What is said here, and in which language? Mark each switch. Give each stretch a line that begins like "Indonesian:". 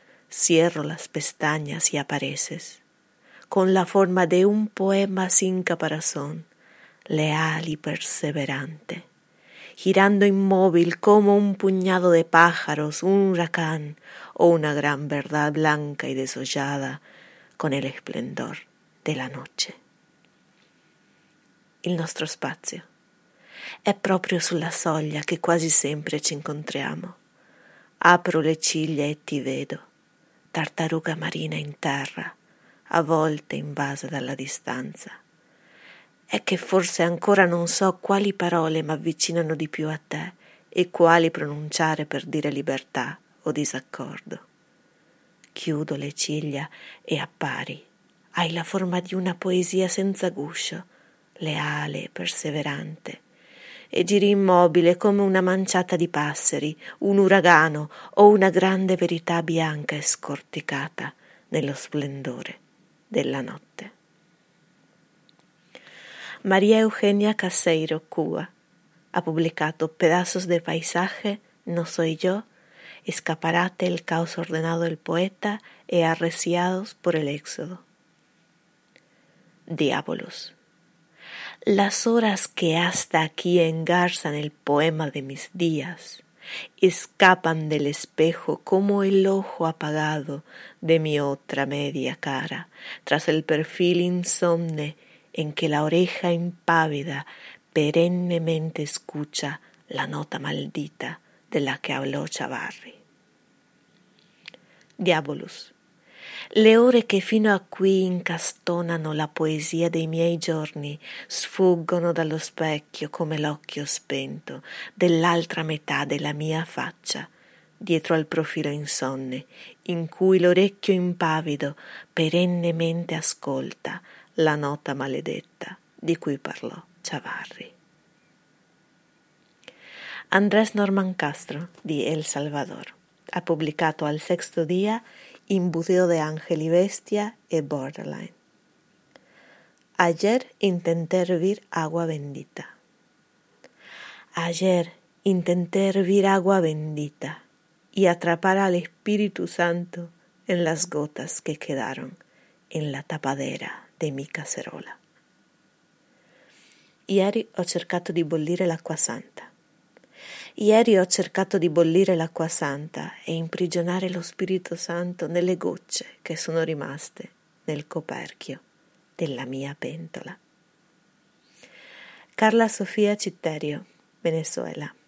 Spanish: Cierro las pestañas y apareces, con la forma de un poema sin caparazón, leal y perseverante. Girando inmóvil como un puñado de pájaros, un huracán o una gran verdad blanca y desollada con el esplendor de la noche.
Italian: Il nostro spazio è proprio sulla soglia che quasi sempre ci incontriamo. Apro le ciglia e ti vedo, tartaruga marina in terra, a volte invasa dalla distanza. È che forse ancora non so quali parole mi avvicinano di più a te e quali pronunciare per dire libertà o disaccordo. Chiudo le ciglia e appari. Hai la forma di una poesia senza guscio, leale e perseverante. E giri immobile come una manciata di passeri, un uragano o una grande verità bianca e scorticata nello splendore della notte.
Spanish: María Eugenia Caseiro, Cuba, ha publicado Pedazos de paisaje, No soy yo, Escaparate, el caos ordenado del poeta e Arreciados por el éxodo. Diabolos. Las horas que hasta aquí engarzan el poema de mis días escapan del espejo como el ojo apagado de mi otra media cara tras el perfil insomne en que la oreja impávida perennemente escucha la nota maldita de la que habló Chavarri.
Italian: Diabolus, le ore che fino a qui incastonano la poesia dei miei giorni sfuggono dallo specchio come l'occhio spento dell'altra metà della mia faccia dietro al profilo insonne in cui l'orecchio impavido perennemente ascolta la nota maledetta di cui parlò Chavarri. Andrés Norman Castro, di El Salvador, ha pubblicato al sexto día Imbuteo de Ángel y Bestia e Borderline.
Spanish: Ayer intenté hervir agua bendita. Ayer intenté hervir agua bendita y atrapar al Espíritu Santo en las gotas que quedaron en la tapadera de mi cacerola.
Italian: Ieri ho cercato di bollire l'acqua santa. Ieri ho cercato di bollire l'acqua santa e imprigionare lo Spirito Santo nelle gocce che sono rimaste nel coperchio della mia pentola. Carla Sofia Citterio, Venezuela,